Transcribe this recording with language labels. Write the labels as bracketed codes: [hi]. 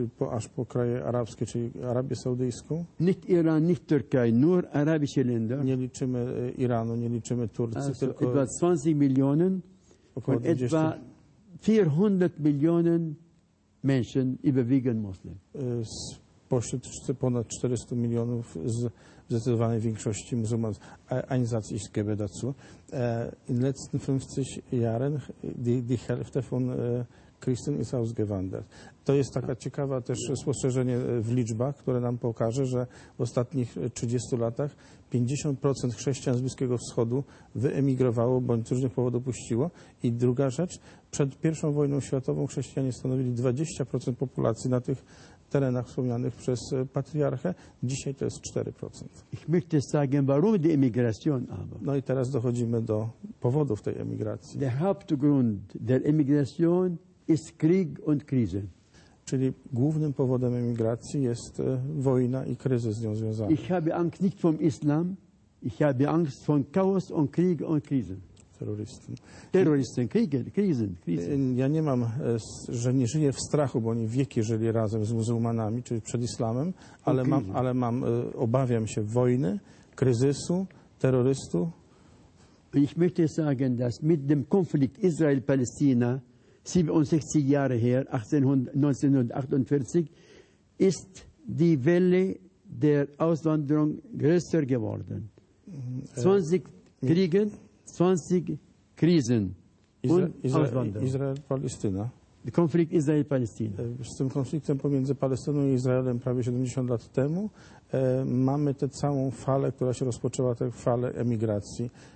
[pl] Aż po kraje arabskie, czyli Arabię Saudyjską. [de] Nicht Iran, nicht Türkei, nur arabische Länder. [pl] Nie liczymy Iranu, nie liczymy Turcji, also tylko [de] etwa 20 [pl] milionów, około 20. [de] Etwa 400 milionów Menschen, überwiegend Muslim. [pl] Spośród ponad 400 milionów z zdecydowanej większości muzułmanów. Einsatz ist gebe dazu. [de] In letzten 50 Jahren die Hälfte von Christen ist ausgewandert. [pl] To jest taka ciekawa też spostrzeżenie w liczbach, które nam pokaże, że w ostatnich 30 latach 50% chrześcijan z Bliskiego Wschodu wyemigrowało bądź z różnych powodów opuściło. I druga rzecz, przed I wojną światową chrześcijanie stanowili 20% populacji na tych terenach wspomnianych przez patriarchę. Dzisiaj to jest 4%. [de] Ich möchte sagen, warum die Emigration aber. [pl] No i teraz dochodzimy do powodów tej emigracji. [de] Der Hauptgrund der Emigration ist Krieg und Krise. [pl] Czyli głównym powodem emigracji jest wojna i kryzys z nią związany. [de] Ich habe Angst nicht vom Islam, ich habe Angst von Chaos und Krieg und Krisen. [pl] Terrorystem, [de] Krisen. [pl] Ja nie mam, że nie żyję w strachu, bo oni wieki żyli razem z muzułmanami, czyli przed islamem, ale mam, obawiam się wojny, kryzysu, terrorystu. [de] Ich möchte sagen, dass mit dem Konflikt Israel-Palästina 67 Jahre her, 1948, ist die Welle der Auswanderung größer geworden. 20 Kriege, 20 Krisen und Auswanderung. [pl] Izrael-Palestyna. Konflikt Izrael-Palestyna. Z tym konfliktem pomiędzy Palestyną i Izraelem prawie 70 lat temu mamy tę całą falę, która się rozpoczęła, tę falę emigracji.